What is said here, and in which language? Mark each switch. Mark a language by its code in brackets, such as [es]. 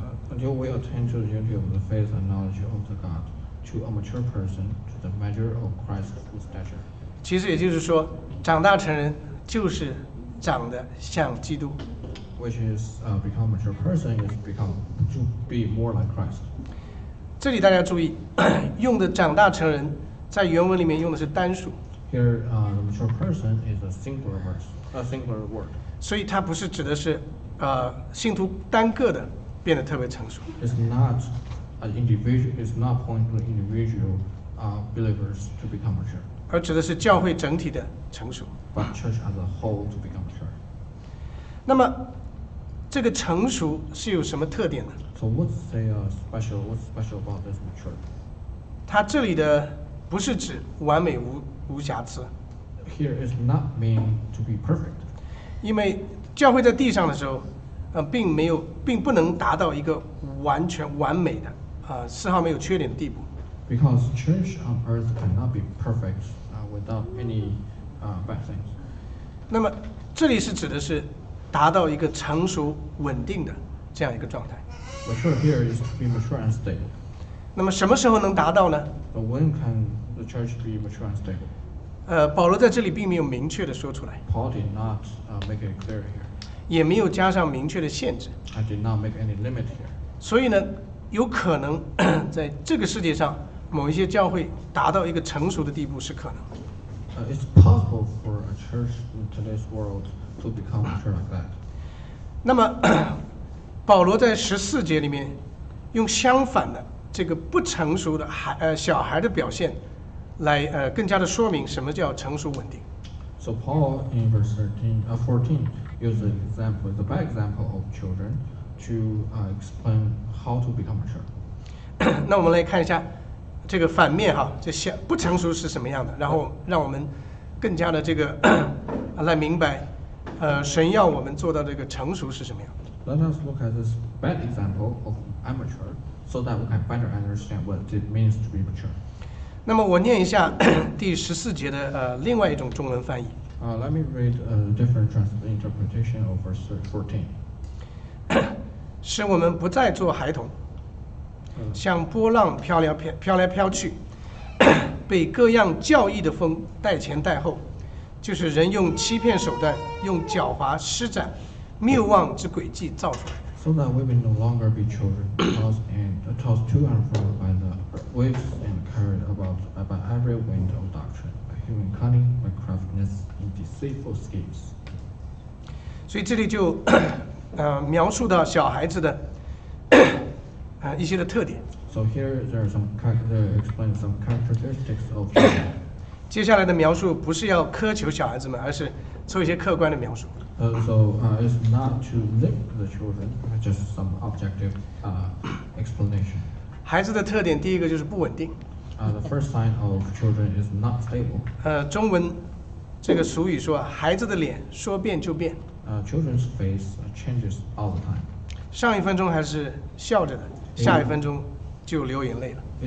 [en] Until we attain to the unity of the faith and knowledge of the God, to a mature person, to the measure of Christ's full stature. [zh] 其实也就是说，长大成人就是长得像基督。 [en] Which is become mature person is become to be more like Christ. [zh] 这里大家注意，用的长大成人在原文里面用的是单数。 [en] Here, the mature person is a singular verse, a singular word. [zh] 所以它不是指的是信徒单个的变得特别成熟。 [en] It's not an individual is not pointing to individual believers to become mature. [zh] 而指的是教会整体的成熟。 [en] But church as a whole to become mature. [zh] 那么这个成熟是有什么特点呢？ [en] So what's special about this mature? [zh] 它这里的不是指完美 无瑕疵。 [en] Here is not meant to be perfect. [zh] 因为教会在地上的时候并没有并不能达到一个完全完美的丝毫没有缺点的地步。 [en] Because church on earth cannot be perfect without any bad things. [zh] 那么这里是指的是达到一个成熟稳定的这样一个状态。 [en] Mature here is to be mature and stable. [zh] 那么什么时候能达到呢？ [en] But when can the church be mature and stable? [zh] 保罗在这里并没有明确的说出来。 [en] Paul did not make it clear here. [zh] 也没有加上明确的限制。 [en] I did not make any limit here. [zh] 所以呢有可能在这个世界上某一些教会达到一个成熟的地步是可能。 [en] It's possible for a church in today's world to become mature like that. [zh] 那么保罗在十四节里面用相反的这个不成熟的小孩的表现来更加的说明什么叫成熟稳定。 [en] So Paul in verse 14 used the bad example of children. To explain how to become mature. [zh] 那我们来看一下这个反面哈，这小不成熟是什么样的，然后让我们更加的这个来明白，神要我们做到这个成熟是什么样。 [en] Let us look at this bad example of immature, so that we can better understand what it means to be mature. [zh] 那么我念一下第十四节的另外一种中文翻译。 [en] Let me read a different interpretation of verse 14. [zh] 使我们不再做孩童，像波浪飘来飘去，被各样教义的风带前带后，就是人用欺骗手段，用狡猾施展谬妄之诡计造出来。 [en] So that we may no longer be children, tossed to and fro by the waves and carried about by every wind of doctrine, by human cunning, by craftiness in deceitful schemes. [zh] 所以这里就描述到小孩子的一些的特点。 [en] So here there are some explain some characteristics of. [zh] 接下来的描述不是要苛求小孩子们，而是做一些客观的描述。 [en] It's not to limit the children, just some objective explanation. [zh] 孩子的特点第一个就是不稳定。 [en] The first sign of children is not stable. [zh] 中文这个俗语说，孩子的脸说变就变。 [en] Children's face changes all the time. [zh] 上一分钟还是笑着的，下一分钟就流眼泪了。